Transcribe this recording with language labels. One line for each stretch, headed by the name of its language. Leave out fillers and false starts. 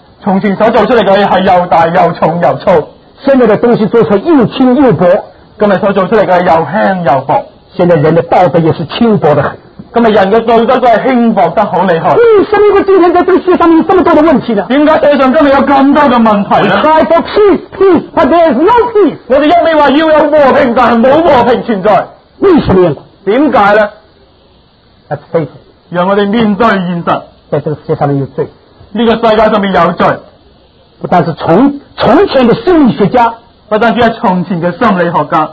Chinese: 从前所做出来的是又大又重又粗。现在的东西做出来又轻又薄。今天所做出来的是又轻又薄。现在人的道德也是轻薄的很。今天人的道德都是轻薄得很厉害。为什么今天在这个世界上有这么多的问题呢？为什么世界上今天有这么多的问题呢？
English: Cry for peace, peace, but there is no peace.
Chinese: 我们一味说要有和平，但是没有和平存在。为什么呢？为什么呢？
English: Let's face it.
Chinese: 让我们面对现实。在这个世界上面有罪。这个世界上面有罪。不但是从前的心理学家。不但是从前的心理学家。